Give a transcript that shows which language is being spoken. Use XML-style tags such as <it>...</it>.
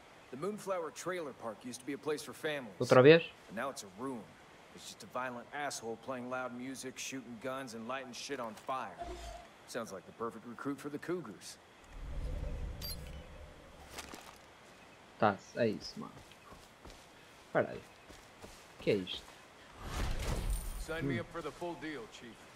<en>The Moonflower Trailer Park used to be a place for families.</en> <pt>Outra vez?</pt> <en>And now it's a ruin. It's just a violent asshole playing loud music, shooting guns, and lighting shit on fire. Sounds like the perfect recruit for the Cougars.</en> <pt>Tá, é isso, mano. Peraí. Que é isto?</pt> <en>Sign me up for the full deal, Chief.</en>